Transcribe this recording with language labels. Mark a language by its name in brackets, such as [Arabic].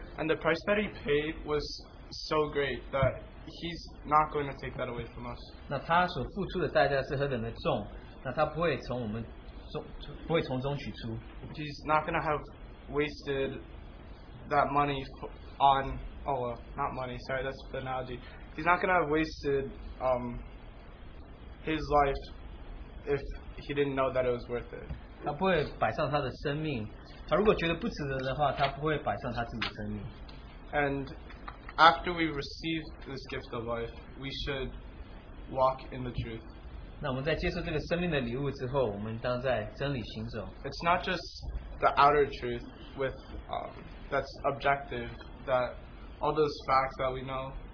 [English] And the price that he paid was so great that he's not going to take that away from us. [Chinese] 那他所付出的代价是何等的重，那他不会从我们中，不会从中取出。 [English] He's not going to have wasted that money on, oh, well, not money, sorry, that's the analogy. He's not going to have wasted his life if he didn't know that it was worth it. [Chinese] 他不会摆上他的生命，他如果觉得不值得的话，他不会摆上他自己的生命。 [English] And after we receive this gift of life, we should walk in the truth. [Chinese] 那我们在接受这个生命的礼物之后，我们当在真理行走。 [English] It's not just the outer truth with that's objective, that all those facts that we know.